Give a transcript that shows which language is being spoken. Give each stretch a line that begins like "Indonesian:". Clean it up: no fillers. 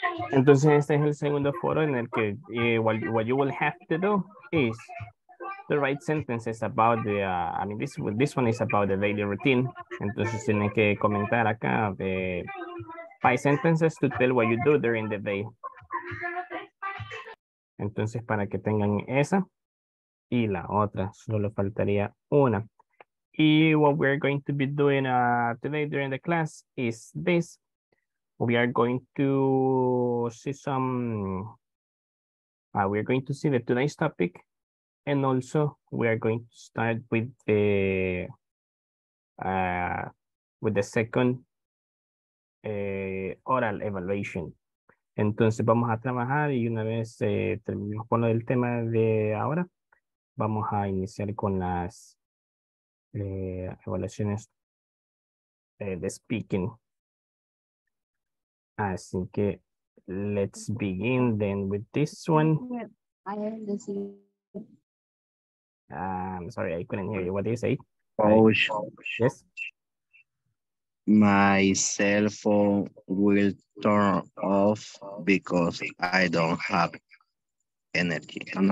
Spanish: Entonces, este es el segundo foro en el que
English: what you will have to do is to write sentences about the, this one is about the daily routine.
Spanish: Entonces, tienen que comentar acá de
English: 5 sentences to tell what you do during the day.
Spanish: Entonces, para que tengan esa y la otra, solo faltaría una.
English: Y what we're going to be doing today during the class is this. We are going to see some, we're going to see the today's topic. And also we are going to start with the second oral evaluation.
Spanish: Entonces vamos a trabajar y una vez terminemos con lo del tema de ahora, vamos a iniciar con las evaluaciones de speaking. Así que
English: let's begin then with this one. I'm sorry, I couldn't hear you. What do you say? Yes. My cell phone will turn off because I don't have energy.